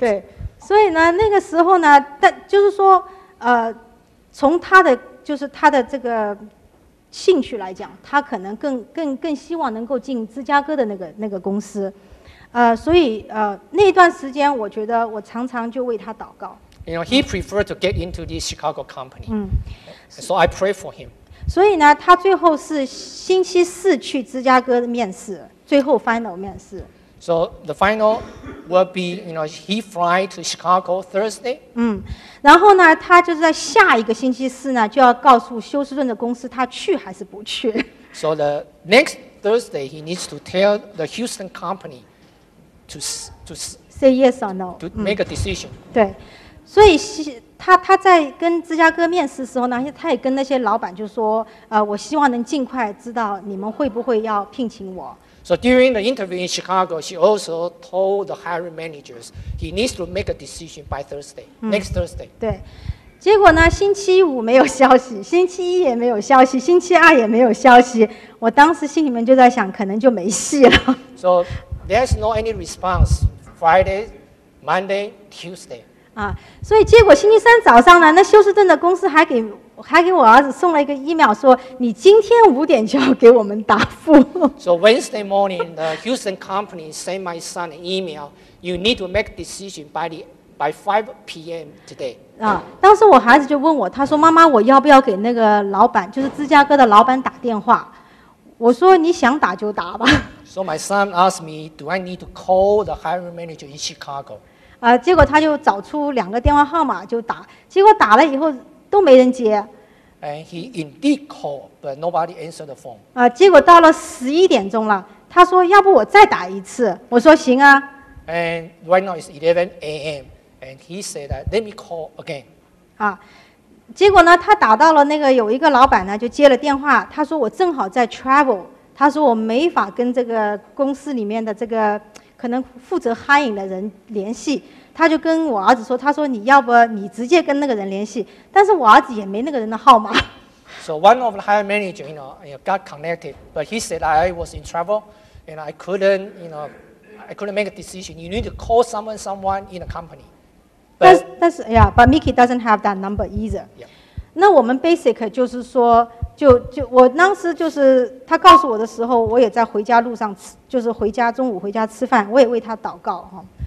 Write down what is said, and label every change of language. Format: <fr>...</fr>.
<zh>对，所以呢，那个时候呢，但就是说，从他的就是他的这个兴趣来讲，他可能更希望能够进芝加哥的那个公司，所以那段时间，我觉得我常常就为他祷告。</zh> <en>You know, he preferred to get into this Chicago company. 嗯，so I pray for him.</en> <zh>所以呢，他最后是星期四去芝加哥的面试。最后 final 面试。</zh> <en>So the final will be, you know, he fly to Chicago Thursday.</en> <zh>嗯，然后呢，他就是在下一个星期四呢，就要告诉休斯顿的公司他去还是不去。</zh> <en>So the next Thursday, he needs to tell the Houston company to say yes or no to make a decision.、</en> <zh>嗯、对，所以他在跟芝加哥面试的时候呢，他也跟那些老板就说，我希望能尽快知道你们会不会要聘请我。</zh> <en>So during the interview in Chicago, she also told the hiring managers he needs to make a decision by Thursday, next Thursday.</en> <zh>对，结果呢，星期五没有消息，星期一也没有消息，星期二也没有消息。我当时心里面就在想，可能就没戏了。</zh> <en>So there's no any response Friday, Monday, Tuesday.</en> <zh>啊，所以结果星期三早上呢，那休斯顿的公司还给我儿子送了一个 email， 说你今天5点就要给我们答复。</zh> <en>So Wednesday morning, the Houston company sent my son an email. You need to make decision by 5 p.m. today.</en> <zh>啊，当时我孩子就问我，他说：“妈妈，我要不要给那个老板，就是芝加哥的老板打电话？” 我说：“你想打就打吧。”</zh> <en>So my son asked me, "Do I need to call the hiring manager in Chicago?"</en> <zh>啊，结果他就找出2个电话号码就打，结果打了以后。都没人接。</zh> <en>And he indeed called, but nobody answered the phone.</en> <zh>啊，结果到了11点钟了，他说：“要不我再打一次？” 我说：“行啊。</zh> <en>”And right now it's 11 a.m. and he said that let me call again.</en> <zh>啊，结果呢，他打到了那个有一个老板呢，就接了电话。他说：“我正好在 travel。” 他说：“我没法跟这个公司里面的这个可能负责 hiring 的人联系。” 他就跟我儿子说，他说你要不你直接跟那个人联系，但是我儿子也没那个人的号码。</zh> <en>So one of the hiring manager, you know, got connected, but he said I was in travel, and I couldn't make a decision. You need to call someone in the company. But Mickey doesn't have that number either. Yeah.</en> <zh>那我们 basic 就是说，就我当时就是他告诉我的时候，我也在回家路上吃，就是回家中午回家吃饭，我也为他祷告哈。</zh>